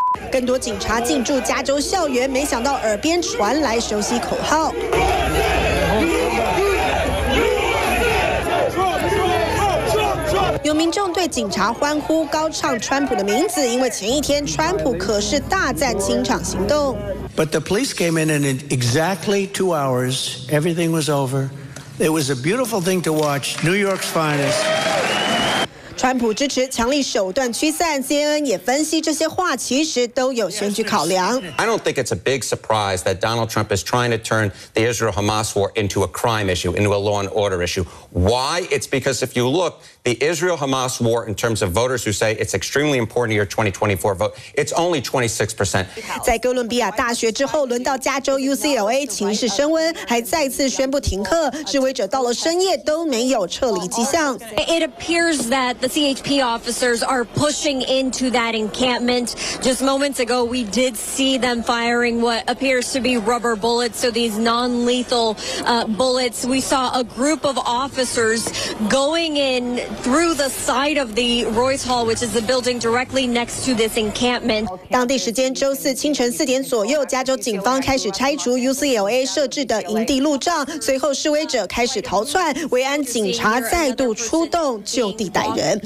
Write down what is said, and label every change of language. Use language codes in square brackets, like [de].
[zh] 更多警察进驻加州校园，没想到耳边传来熟悉口号。有民众对警察欢呼，高唱川普的名字，因为前一天川普可是大赞清场行动。 [en] But the police came in and in exactly 2 hours, everything was over. It was a beautiful thing to watch. New York's finest. [zh] 川普支持强力手段驱散 ，CNN 也分析这些话其实都有选举考量。 [en] I don't think it's a big surprise that Donald Trump is trying to turn the Israel-Hamas war into a crime issue, into a law and order issue. Why? It's because if you look, the Israel-Hamas war in terms of voters who say it's extremely important to your 2024 vote, it's only 26%. [zh] 在哥伦比亚大学之后，轮到加州 UCLA 情势升温，还再次宣布停课，示威者到了深夜都没有撤离迹象。 [en] It appears that the CHP officers are pushing into that encampment. Just moments ago, we did see them firing what appears to be rubber bullets, so these non-lethal bullets. We saw a group of officers going in through the side of the Royce Hall, which is the building directly next to this encampment. [zh] 当地时间周四清晨四点左右，加州警方开始拆除 UCLA 设置的营地路障，随后示威者开始逃窜，维安警察再度出动就地逮人。